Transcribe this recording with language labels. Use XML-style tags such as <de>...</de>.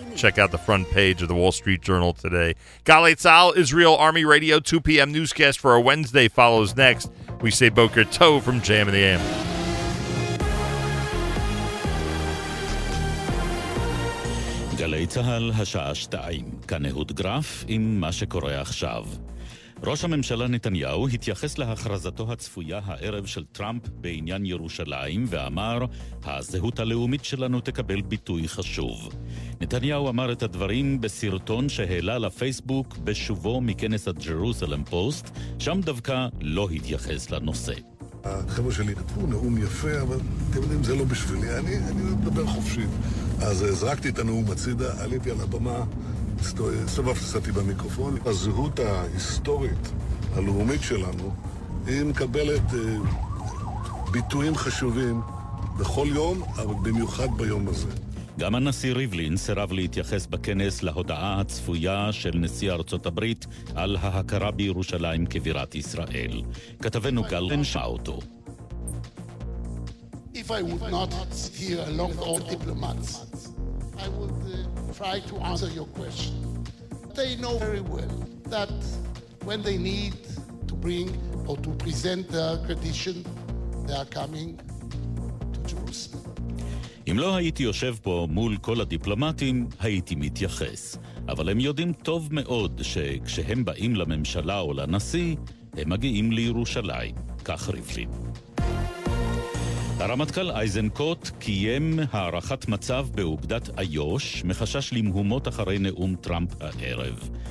<en>Check out the front page of the Wall Street Journal today. Galei Tzal, Israel Army Radio, 2 p.m. newscast for our Wednesday follows next. We say Boker Tov from Jam in the AM.</en> <he>Galei Tzal, השעה 2. כאן אהוד גרף עם מה שקורה עכשיו. ראש הממשלה נתניהו התייחס להכרזתו הצפויה הערב של טראמפ בעניין ירושלים ואמר, הזהות הלאומית שלנו תקבל ביטוי חשוב. נתניהו אמר את הדברים בסרטון שהעלה לפייסבוק בשובו מכנס הג'רוסלם פוסט, שם דווקא לא התייחס לנושא. החבר'ה שלי כתבו נאום יפה, אבל אתם יודעים, זה לא בשבילי, אני מדבר חופשית. אז זרקתי את הנאום הצידה, עליתי על הבמה, סבבתי במיקרופון. הזהות ההיסטורית הלאומית שלנו היא מקבלת ביטויים חשובים בכל יום, אבל במיוחד ביום הזה. גם הנשיא ריבלין סירב להתייחס בכנס להודעה הצפויה של נשיא ארצות הברית על ההכרה בירושלים כבירת ישראל. כתבנו גל רנשא אותו.</he> <en>If I would not hear along with all diplomats, I would try to answer your question. They know very well that when they need to bring or to present their tradition, they are coming to Jerusalem.</en> <he>אם לא הייתי יושב פה מול כל הדיפלומטים, הייתי מתייחס. אבל הם יודעים טוב מאוד שכשהם באים לממשלה או לנשיא, הם מגיעים לירושלים, כך ריבלין. הרמטכ"ל אייזנקוט קיים הערכת מצב באוגדת איוש מחשש למהומות אחרי נאום טראמפ הערב.</he>